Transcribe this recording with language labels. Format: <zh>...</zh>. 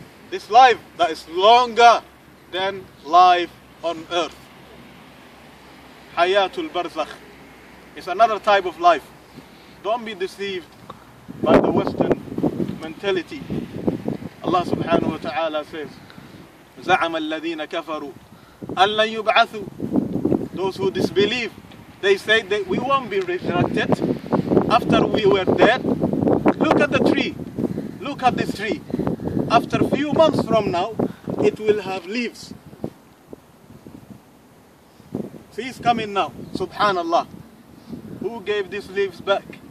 <en>This life that is longer than life on earth. Hayatul Barzakh is another type of life. Don't be deceived by the Western mentality. Allah subhanahu wa ta'ala says,</en> <ar>زَعَمَ الَّذِينَ كَفَرُوا أَن لَّن يُبْعَثُوا.</ar> <en>Those who disbelieve, they say that we won't be resurrected after we were dead. Look at the tree. Look at this tree. After a few months from now, it will have leaves. See, it's coming now. Subhanallah. Who gave these leaves back?</en>